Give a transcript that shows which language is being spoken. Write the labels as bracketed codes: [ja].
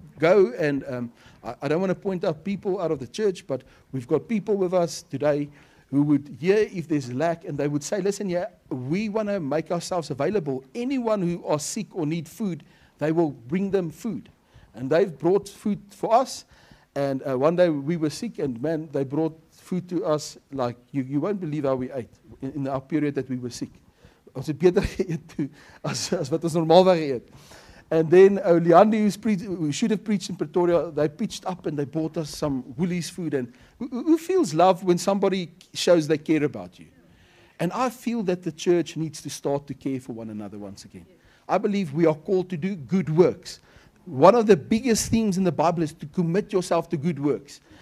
[en] Go and, I don't want to point out people out of the church, but we've got people with us today who would hear if there's lack, and they would say, listen, yeah, we want to make ourselves available. Anyone who are sick or need food, they will bring them food. And they've brought food for us. And one day we were sick, and man, they brought food to us. Like, you won't believe how we ate in our period that we were sick. [af] Ons het beter geëet as wat ons normaalweg geëet. [en] And then Leandi, who should have preached in Pretoria, they pitched up and they bought us some Woolies food. And who feels love when somebody shows they care about you? And I feel that the church needs to start to care for one another once again. I believe we are called to do good works. One of the biggest themes in the Bible is to commit yourself to good works.